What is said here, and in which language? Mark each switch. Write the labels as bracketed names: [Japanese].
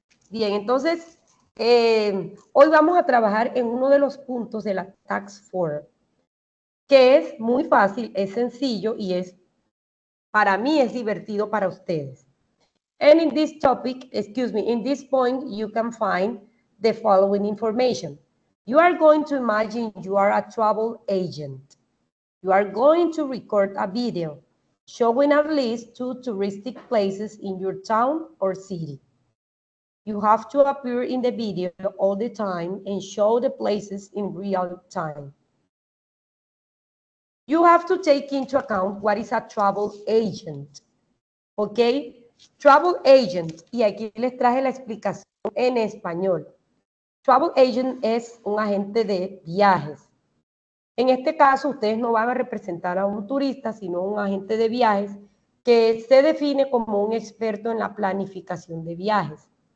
[Spanish] Bien, entonces, hoy vamos a trabajar en uno de los puntos de la Task Force, que es muy fácil, es sencillo y es, para mí, es divertido para ustedes. [English] And in this topic, excuse me, in this point, you can find the following information. You are going to imagine you are a travel agent. You are going to record a video showing at least 2 touristic places in your town or city. You have to appear in the video all the time and show the places in real time. You have to take into account what is a travel agent. ¿Ok? Travel agent. [Spanish] Y aquí les traje la explicación en español. Travel agent es un agente de viajes. En este caso, ustedes no van a representar a un turista, sino un agente de viajes que se define como un experto en la planificación de viajes.